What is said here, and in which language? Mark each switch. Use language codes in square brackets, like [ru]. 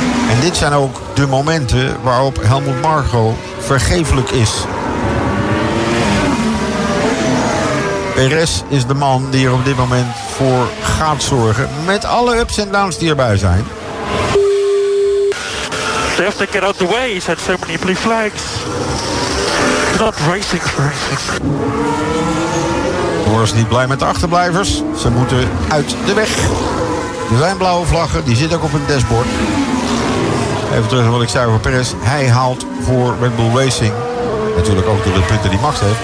[nl] En dit zijn ook de momenten waarop Helmut Marko vergeeflijk is. Perez is de man die er op dit moment voor gaat zorgen... met alle ups en downs die erbij zijn... [en] They have to get out the way, he said, so many blue flags. Not racing for racing. [nl] Norris is niet blij met de achterblijvers. Ze moeten uit de weg. Er zijn blauwe vlaggen, die zitten ook op een dashboard. Even terug naar wat ik zei over Perez. Hij haalt voor Red Bull Racing. Natuurlijk ook door de punten die Max heeft.